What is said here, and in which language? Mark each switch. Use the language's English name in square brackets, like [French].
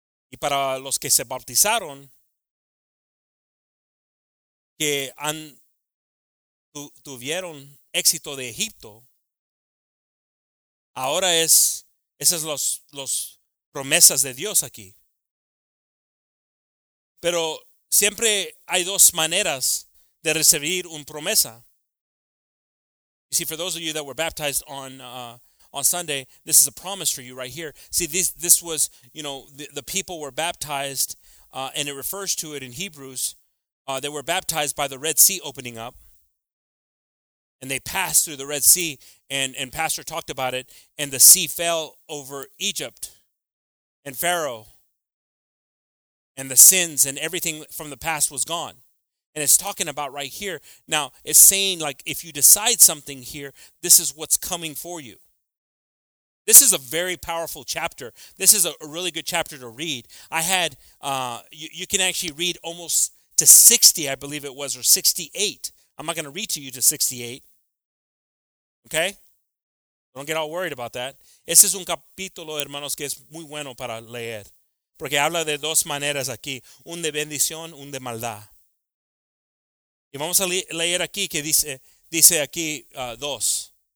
[Spanish] Y para los que se bautizaron, que tuvieron éxito de Egipto, ahora esas son las promesas de Dios aquí. Pero siempre hay dos maneras de recibir una promesa. [English] You see, for those of you that were baptized on Sunday, this is a promise for you right here. See, this was, you know, the people were baptized, and it refers to it in Hebrews. They were baptized by the Red Sea opening up, and they passed through the Red Sea, and Pastor talked about it, and the sea fell over Egypt and Pharaoh, and the sins and everything from the past was gone. And it's talking about right here. Now, it's saying, like, if you decide something here, this is what's coming for you. This is a very powerful chapter. This is a really good chapter to read. I had, you can actually read almost to 60, I believe it was, or 68. I'm not going to read to you to 68. Okay? Don't get all worried about that. [Spanish] Este es un capítulo, hermanos, que es muy bueno para leer. Porque habla de dos maneras aquí. Un de bendición, un de maldad. Y vamos a leer aquí que dice aquí dos.